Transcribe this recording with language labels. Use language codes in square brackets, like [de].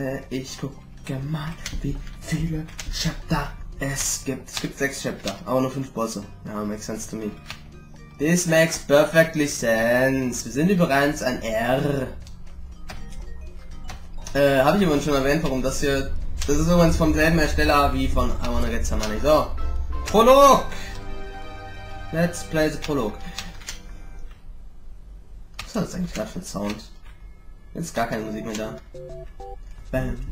[de] Ich gucke mal, wie viele Chapter es gibt. Es gibt 6 Chapter, aber nur 5 Bosse. [en] Ja, makes sense to me. This makes perfectly sense. [de] Wir sind übrigens ein R. Habe ich übrigens schon erwähnt, warum das hier... Das ist übrigens vom selben Ersteller wie von I Wanna Get Some Money. So. Prolog! [en] Let's play the Prolog. [de] Was war das eigentlich gerade für ein Sound? Jetzt gar keine Musik mehr da. Bam.